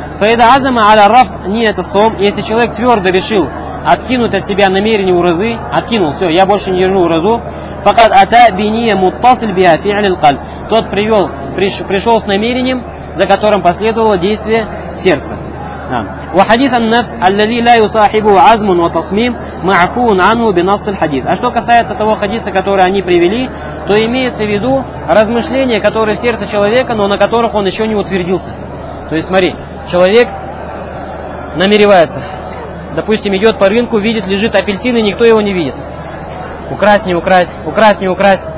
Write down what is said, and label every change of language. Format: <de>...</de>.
<ar>Фаида азама аля раф ниет ас-сом.</ar> <ru>Если человек твердо решил откинуть от себя намерение уразы, откинул, все, я больше не держу уразу,</ru> <ar>факад ата биния муттасль биа фи'ль аль-кальб.</ar> <ru>Тот привел, пришел с намерением, за которым последовало действие сердца.</ru> <ar>وحديث النفس الذي لا يصاحبه عزم وتصميم معفو عنه بنص الحديث.</ar> <ru>А что касается того хадиса, который они привели, то имеется в виду размышления, которые в сердце человека, но на которых он еще не утвердился. То есть смотри, человек намеревается. Допустим, идет по рынку, видит, лежит апельсин, и никто его не видит. Украсть, не украсть, украсть, не украсть.</ru>